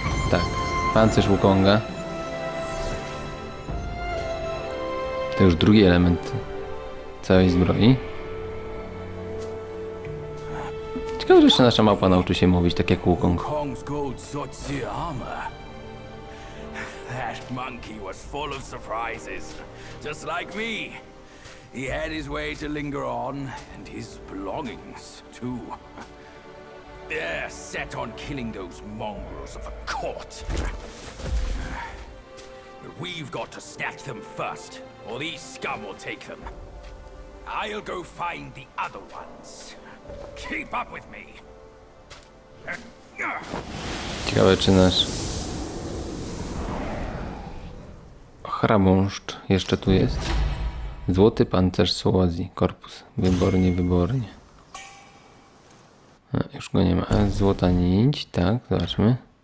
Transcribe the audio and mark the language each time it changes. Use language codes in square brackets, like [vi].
[pl] Tak, pancerz Wukonga. To już drugi element całej zbroi. Ciekawe, że jeszcze nasza małpa nauczy się mówić tak jak Wukong. [en] Wukong's gold sochi armor. That monkey was full of surprises. Just like me. He had his way to linger on, and his belongings, too. They're set on killing those mongrels of the court. But we've got to snatch them first, or these scum will take them. I'll go find the other ones. Keep up with me. [pl] Ciekawe, czy nasz chrabąszcz jeszcze tu jest. Złoty pancerz Słowazji. Korpus. Wybornie, wybornie. A, już go nie ma. A, złota nić. Tak, zobaczmy.